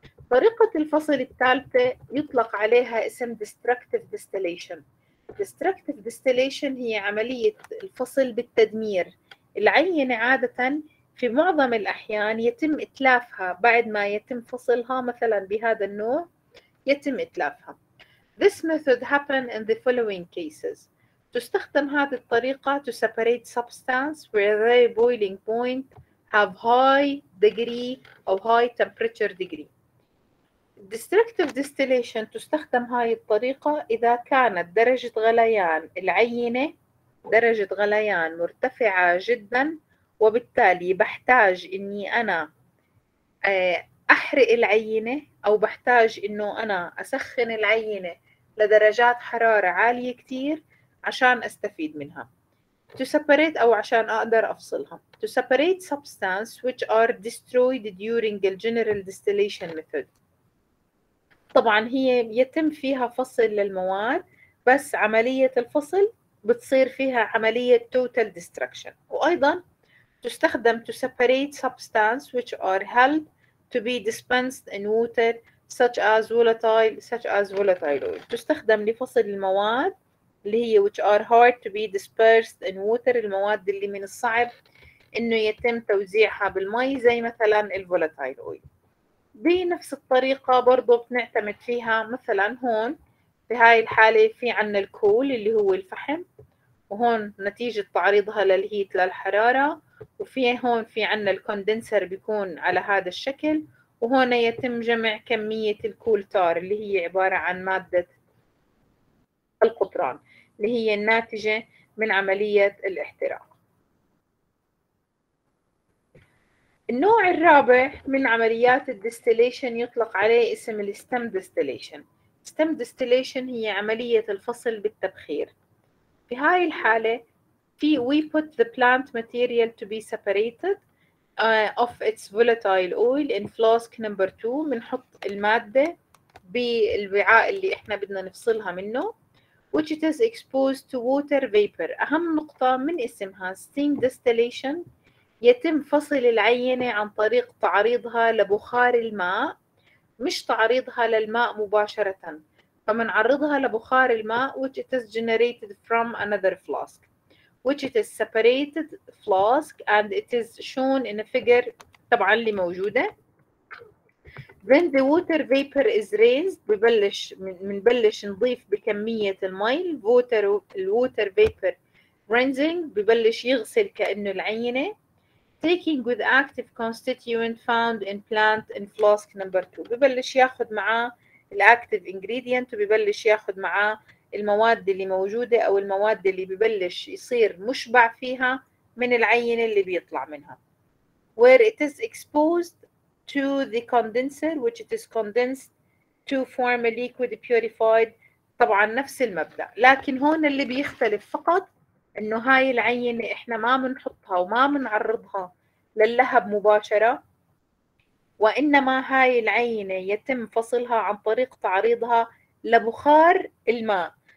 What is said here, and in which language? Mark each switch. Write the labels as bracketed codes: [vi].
[ar] طريقة الفصل الثالثة يطلق عليها اسم destructive distillation. destructive distillation هي عملية الفصل بالتدمير. العينة عادة في معظم الأحيان يتم إتلافها بعد ما يتم فصلها مثلا بهذا النوع يتم إتلافها. [en] This method happen in the following cases. [ar] تستخدم هذه الطريقة [en] to separate substance where the boiling point have high degree أو high temperature degree. [ar] Destructive distillation تستخدم هاي الطريقة إذا كانت درجة غليان العينة درجة غليان مرتفعة جدا وبالتالي بحتاج إني أنا أحرق العينة أو بحتاج إنه أنا أسخن العينة لدرجات حرارة عالية كتير عشان أستفيد منها. [en] To separate [ar] أو عشان أقدر أفصلها. [en] To separate substance which are destroyed during the general distillation method. [ar] طبعاً هي يتم فيها فصل للمواد بس عملية الفصل بتصير فيها عملية [en] total destruction. [ar] وأيضاً تستخدم [en] to separate substance which are held to be dispensed in water such as volatile oil. [ar] تستخدم لفصل المواد اللي هي [en] which are hard to be dispersed in water. [ar] المواد اللي من الصعب إنه يتم توزيعها بالماء زي مثلاً الفولاتايل أويل. بنفس الطريقة برضو بنعتمد فيها مثلاً هون في هاي الحالة في عنا الكول اللي هو الفحم وهون نتيجة تعريضها للهيت للحرارة وفي هون في عنا الكوندنسر بيكون على هذا الشكل وهون يتم جمع كمية الكول تار اللي هي عبارة عن مادة القطران اللي هي الناتجة من عملية الاحتراق. النوع الرابع من عمليات الديستيليشن يطلق عليه اسم الستم ديستيليشن. ستم ديستيليشن هي عملية الفصل بالتبخير. في هاي الحالة في [en] we put the plant material to be separated of its volatile oil in flask number 2. [ar] بنحط المادة بالوعاء اللي احنا بدنا نفصلها منه [en] which it is exposed to water vapor. [ar] أهم نقطة من اسمها steam distillation يتم فصل العينة عن طريق تعريضها لبخار الماء مش تعريضها للماء مباشرة. فمنعرضها لبخار الماء [en] which it is generated from another flask. which it is separated flask and it is shown in a figure [ar] طبعا اللي موجودة. [en] Then the water vapor is raised, [ar] ببلش منبلش نضيف بكمية المي. [en] Water, water vapor rinsing, [ar] ببلش يغسل كأنه العينة. [en] Taking with active constituent found in plant in flask number two, [ar] ببلش ياخد معاه الactive ingredient وببلش ياخد معاه المواد اللي موجودة أو المواد اللي ببلش يصير مشبع فيها من العينة اللي بيطلع منها. [en] Where it is exposed to the condenser, which it is condensed to form a liquid purified. [ar] طبعا نفس المبدأ، لكن هون اللي بيختلف فقط انه هاي العينة احنا ما بنحطها وما بنعرضها للهب مباشرة، وانما هاي العينة يتم فصلها عن طريق تعريضها لبخار الماء.